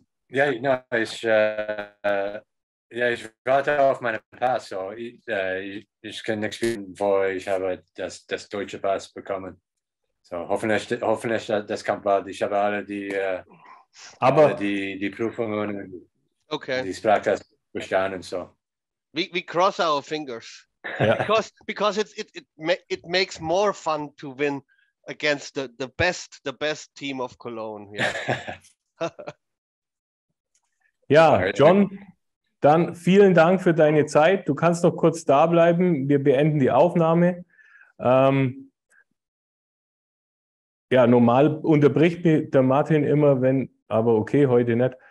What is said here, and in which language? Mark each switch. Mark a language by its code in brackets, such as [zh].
[en] Yeah, no, [de] ich warte auf meinen Pass, so ich kann nichts spielen, wo ich habe das deutsche Pass bekommen. So hoffentlich das kommt bald. Ich habe alle die Prüfungen, die Sprachtest bestanden. So [en] we cross our fingers because it makes more fun to win against the best team of Cologne. Yeah. [de] Ja, John, dann vielen Dank für deine Zeit. Du kannst noch kurz da bleiben. Wir beenden die Aufnahme. Normal unterbricht mich der Martin immer, aber okay, heute nicht.